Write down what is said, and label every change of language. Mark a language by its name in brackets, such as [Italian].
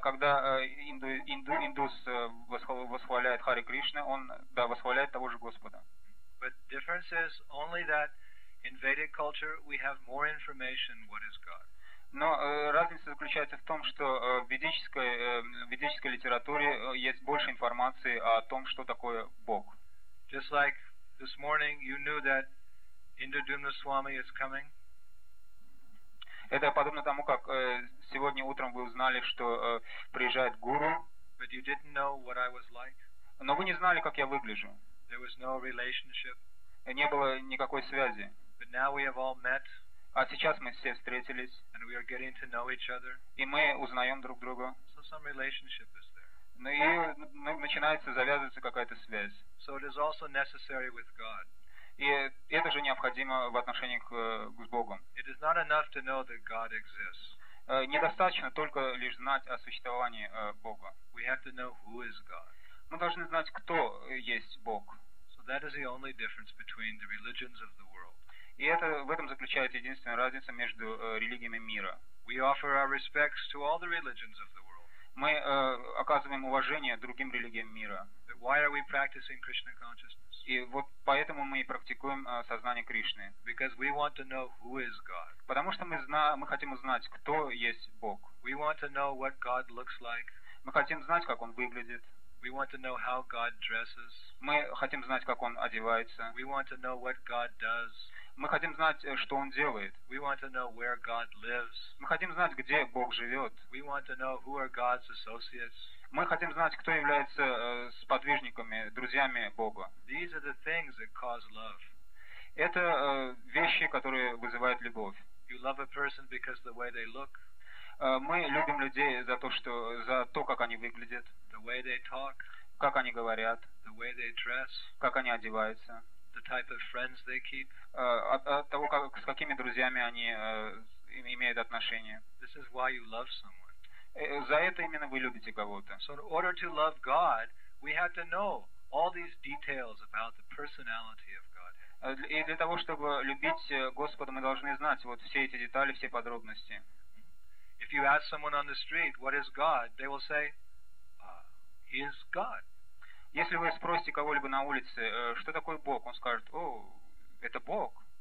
[Russian] Когда индус восхваляет Харе Кришна, он восхваляет того же Господа. [English] But the difference is only that in Vedic culture we have more information what is God. [Russian] Но разница заключается в том, что в ведической литературе есть больше информации о том, что такое Бог. [English] Just like this morning you knew that Indradyumna Swami is coming. [Russian] Это подобно тому, как сегодня утром вы узнали, что приезжает гуру. [English] But you didn't know what I was like. [Russian] Но вы не знали, как я выгляжу. [English] There was no relationship. [Russian] Не было никакой связи. [English] But now we have all met. [Russian] А сейчас мы все встретились. [English] And we are getting to know each other. [Russian] И мы узнаем друг друга. [English] So some relationship is there. [Russian] Ну и начинается, завязывается какая-то связь. [English] So it is also necessary with God. [Russian] И это же необходимо в отношении с Богом. [English] It is not enough to know that God exists. [Russian] Недостаточно только лишь знать о существовании Бога. [English] We have to know who is God. [Russian] Мы должны знать, кто есть Бог. [English] So that is the only difference between the religions of the world. [Russian] И это в этом заключается единственная разница между религиями мира. [English] We offer our respects to all the religions of the world. [Russian] Мы оказываем уважение другим религиям мира. [English] Why are we practicing Krishna consciousness? [Russian] И вот поэтому мы и практикуем сознание Кришны. [English] Because we want to know who is God. [Russian] Потому что мы хотим узнать, кто есть Бог. [English] We want to know what God looks like. [Russian] Мы хотим знать, как Он выглядит. [English] We want to know how God dresses. [Russian] Мы хотим знать, как Он одевается. [English] We want to know what God does. [Russian] Мы хотим знать, что Он делает. [English] We want to know where God lives. [Russian] Мы хотим знать, где Бог живет. [English] We want to know who are God's associates. [Russian] Мы хотим знать, кто является сподвижниками, друзьями Бога. [English] These are the things that cause love. [Russian] Это вещи, которые вызывают любовь. [English] You love a person because the way they look. [Russian] Мы любим людей за то, как они выглядят. [English] The way they talk. [Russian] Как они говорят. [English] The way they dress. [Russian] Как они одеваются. [English] The type of friends they keep. [Russian] От того, с какими друзьями они имеют отношения. [English] This is why you love someone. [Russian] За это именно вы любите кого-то. [English] So in order to love God, we have to know all these details about the personality of God. [Russian] И для того, чтобы любить Господа, мы должны знать вот все эти детали, все подробности. [English] If you ask someone on the street, "What is God?" they will say, "He is God." [Russian] Если вы спросите кого-либо на улице, что такое Бог, он скажет, о, это Бог.